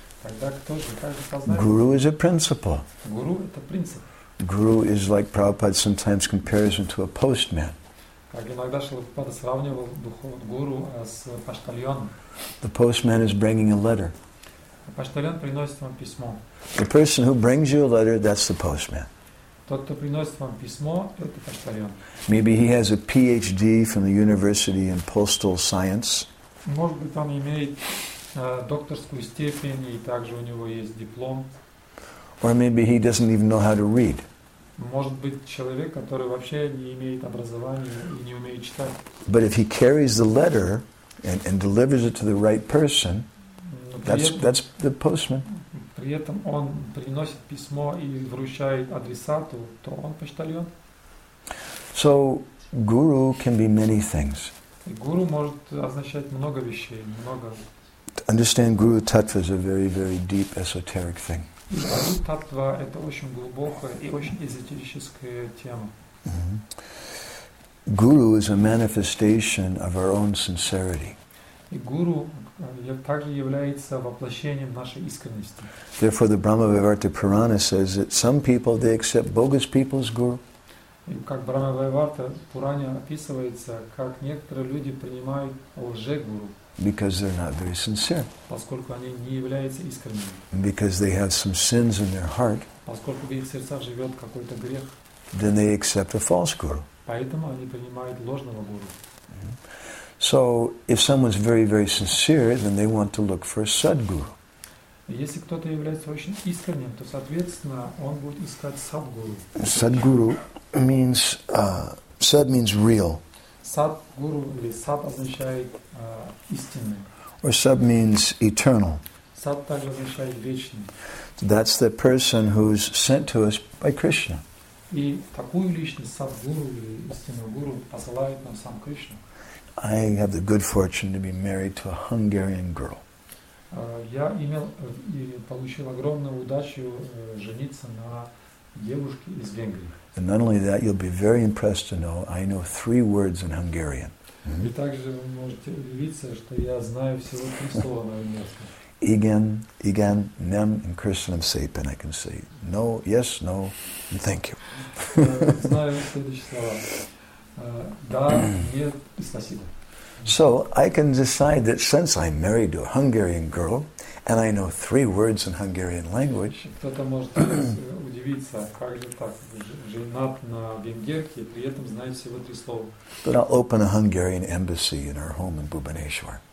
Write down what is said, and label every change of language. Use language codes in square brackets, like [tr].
[ru] Тогда кто же, как же познает? [en] Guru is a principle. [ru] Guru – это принцип. [en] Guru is like Prabhupada sometimes compares him to a postman. [ru] Как иногда Шилапада сравнивал духовного гуру с почтальоном. [en] The postman is bringing a letter. [ru] Почтальон приносит вам письмо. [en] The person who brings you a letter, that's the postman. [ru] Тот, кто приносит вам письмо, это почтальон. [en] Maybe he has a PhD from the university in postal science. [ru] Может быть, он имеет докторскую степень и также у него есть диплом. [en] Or maybe he doesn't even know how to read. [ru] Может быть, человек, который вообще не имеет образования и не умеет читать. [en] But if he carries the letter and delivers it to the right person, that's the postman. [ru] При этом он приносит письмо и вручает адресату, то он почтальон. [en] So, guru can be many things. [ru] Guru может означать много вещей, много. [en] To understand guru tattva is a very, very deep esoteric thing. [ru] Guru tattva – это очень глубокая и очень эзотерическая тема. [en] Guru is a manifestation of our own sincerity. [ru] И гуру также является воплощением нашей искренности. [en] Therefore, the Brahmavivarta Purana says that some people they accept bogus people as guru. [ru] И как Брахмаварта Пуране описывается, как некоторые люди принимают лжегуру. [en] Because they're not very sincere. [ru] Поскольку они не являются искренними. [en] Because they have some sins in their heart. [ru] Поскольку в их сердцах живет какой-то грех. [en] Then they accept a false guru. [ru] Поэтому они принимают ложного гуру. [en] So, if someone's very, very sincere, then they want to look for a sadguru. [ru] Если кто-то является очень искренним, то, соответственно, он будет искать садгуру. [en] Садгуру means sad means real. [ru] Садгуру или сад означает истинный. [en] Or sad means eternal. [ru] Сад также означает вечный. [en] That's the person who's sent to us by Krishna. [ru] И такую личность садгуру или истинного гуру посылает нам сам Кришна. [en] I have the good fortune to be married to a Hungarian girl. [ru] Я имел и получил огромную удачу жениться на девушке из Венгрии. [en] And not only that, you'll be very impressed to know I know 3 words in Hungarian. [ru] И также вы можете удивиться, что я знаю всего 3 слова на немецком. [hu] Igen, igen, nem, and Krishnam Sapen. [en] I can say no, yes, no, and thank you. [ru] Знаю следующие слова. Да, нет, и спасибо. [en] So I can decide that since I'm married to a Hungarian girl and I know 3 words in Hungarian language. [ru] Кто-то может удивиться, как же так, женат на венгерке, при этом знает всего 3 слова. [en] But I'll open a Hungarian embassy in our home in Bhubaneswar.